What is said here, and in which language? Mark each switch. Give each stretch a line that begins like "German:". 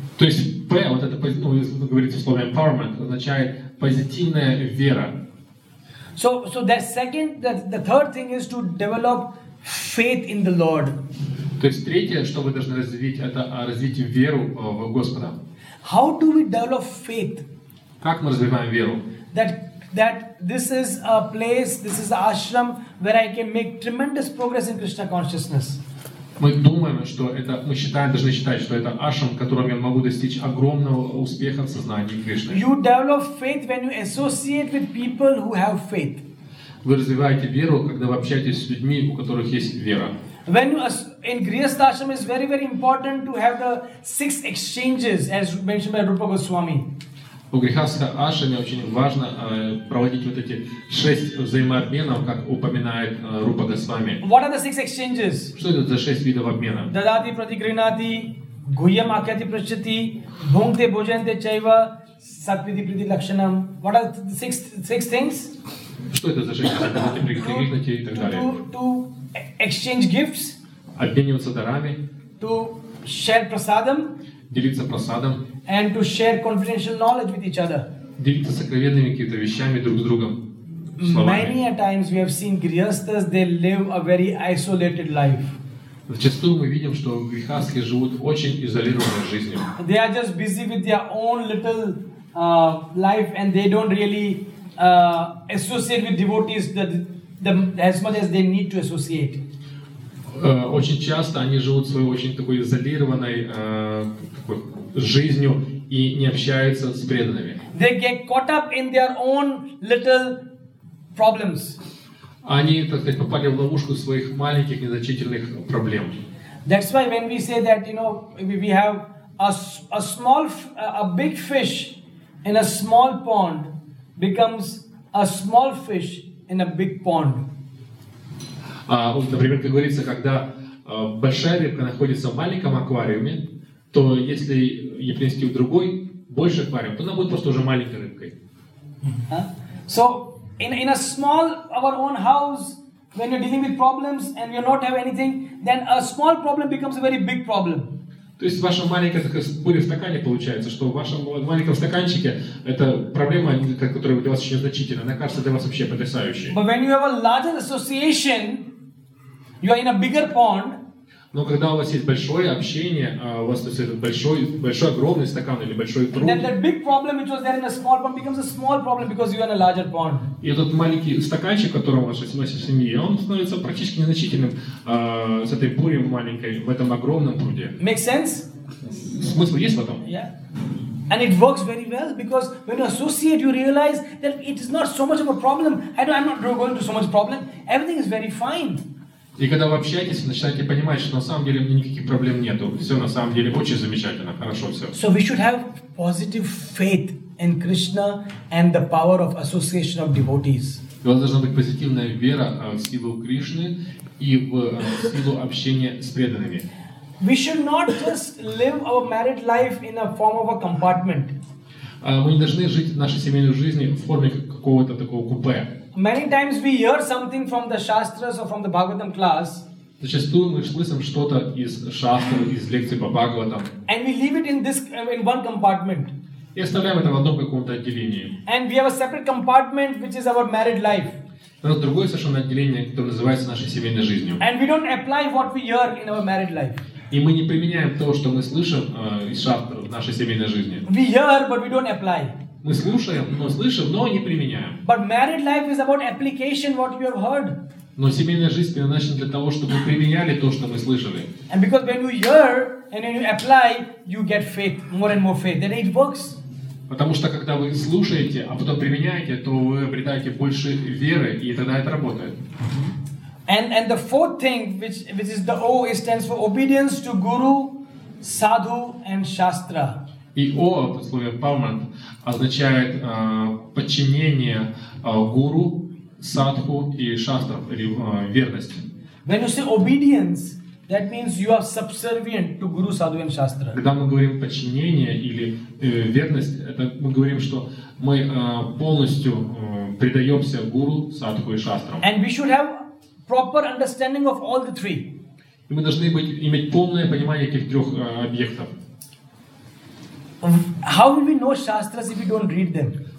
Russian: То есть P, вот это, вы говорите в слове empowerment, означает позитивная вера.
English: So that second, the third thing is to develop faith in the Lord.
Russian: То есть третье, что вы должны развить, это развить веру в Господа.
English: How do we develop faith?
Russian: Как мы развиваем веру?
English: That this is a place, this is an ashram where I can make tremendous progress in Krishna consciousness.
Russian: Мы думаем, что это, мы считаем, должны считать, что это ашрам, в котором я могу достичь огромного успеха в сознании Кришны.
English: You develop faith when you associate with people who have faith.
Russian: Вы развиваете веру, когда вы общаетесь с людьми, у которых есть вера.
English: When you in Grihastha ashram is very, very important to have the six exchanges, as mentioned by Rupa Goswami.
Russian: У Грихаска Ашами очень важно проводить вот эти шесть взаимообменов, как упоминает Рупа Госвами.
English: What are the six exchanges?
Russian: Что это за шесть видов обмена?
Sanskrit: Дадати пратигринати, гуйям акьяти прачати, бхунгте бхоженте чайва, сатвиди прити лакшанам.
English: What are the six things?
Russian: Что это за шесть видов пратигринати и так далее?
English: To exchange gifts.
Russian: Обмениваться дарами.
English: To share prasadam.
Russian: Делиться просадом.
English: And to share confidential knowledge with each other.
Russian: Делиться сокровенными какими-то вещами друг с другом. Словами.
English: Many a times we have seen grihasthas, they live a very isolated life.
Russian: Зачастую мы видим, что грихасхи живут очень изолированной жизнью.
English: They are just busy with their own little life, and they don't really associate with devotees as much as they need to associate.
Russian: Очень часто они живут своей очень такой изолированной жизнью и не общаются с преданными.
English: They get caught up in their own little problems.
Russian: Они, так сказать, попали в ловушку своих маленьких незначительных проблем.
English: That's why when we say that, you know, we have a big fish in a small pond becomes a small fish in a big pond.
Russian: Например, как говорится, когда большая рыбка находится в маленьком аквариуме, то если ее принести в другой, больше аквариум, то она будет просто уже маленькой рыбкой.
English: So, in a small, our own house, when you're dealing with problems and you don't have anything, then a small problem becomes a very big problem.
Russian: То есть ваша маленькая буря в стакане получается, что в вашем маленьком стаканчике это проблема, которая для вас очень значительна, она кажется для вас вообще потрясающей.
English: But when you have a larger association, you are in a bigger pond.
Russian: Но когда у вас есть большое общение, у вас есть этот большой огромный стакан или большой пруд.
English: Then that big problem which was there in a small pond becomes a small problem because you are in a larger pond.
Russian: И этот маленький стаканчик, в котором ваша семья, он становится практически незначительным с этой бурей маленькой в этом огромном пруде.
English: Make sense?
Russian: Смысл есть в этом?
English: Yeah. And it works very well because when you associate, you realize that it is not so much of a problem. I'm not going to so much problem. Everything is very fine.
Russian: И когда вы общаетесь, начинаете понимать, что на самом деле никаких проблем нету. Все на самом деле очень замечательно, хорошо все.
English: So we should have positive faith in Krishna and the power of association of devotees.
Russian: У вас должна быть позитивная вера в силу Кришны и в силу общения с преданными.
English: We should not just live our married life in a form of a compartment.
Russian: Мы не должны жить нашей семейной жизнью в форме какого-то такого купе.
English: Many times we hear something from the Shastras or from the Bhagavatam class.
Russian: Зачастую мы слышим что-то из шастры, из лекций по Бхагаватам.
English: And we leave it in this, in one compartment.
Russian: И оставляем это в одном каком-то отделении.
English: And we have a separate compartment, which is our married life.
Russian: Это другое совершенно отделение, которое называется нашей семейной жизнью.
English: And we don't apply what we hear in our married life.
Russian: И мы не применяем то, что мы слышим из шастр в нашей семейной жизни.
English: We hear, but we don't apply.
Russian: Мы слушаем, но слышим, но не применяем.
English: But married life is about application what we have heard.
Russian: Но семейная жизнь предназначена для того, чтобы мы применяли то, что мы слышали.
English: And because when you hear and when you apply, you get faith, more and more faith. Then it works.
Russian: Потому что когда вы слушаете, а потом применяете, то вы обретаете больше веры, и тогда это работает.
English: And the fourth thing, which is the O, it stands for obedience to Guru, Sadhu and Shastra.
Russian: И О, по слову empowerment, означает подчинение Гуру, Садху и Шастрам, или верность.
English: When you say obedience, that means you are subservient to Guru, Sadhu and Shastra.
Russian: Когда мы говорим подчинение или верность, это мы говорим, что мы полностью предаемся Гуру, Садху и Шастрам.
English: And we should have proper understanding of all the three.
Russian: И мы должны иметь полное понимание этих трех объектов.
English: How will we know Shastras if we don't read them?